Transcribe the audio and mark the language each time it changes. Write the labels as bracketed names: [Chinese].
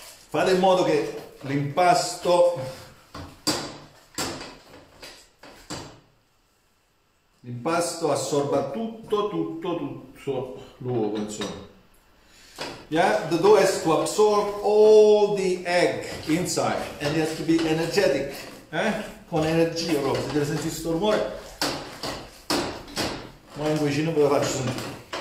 [Italian] Fate in modo che l'impasto assorba tutto l'uovo, insomma. [English] Yeah, the dough has to absorb all the egg inside and it has to be energetic, eh? [Italian] Con energia, proprio. Se deve sentire questo rumore, ma in cucina ve lo faccio sentire.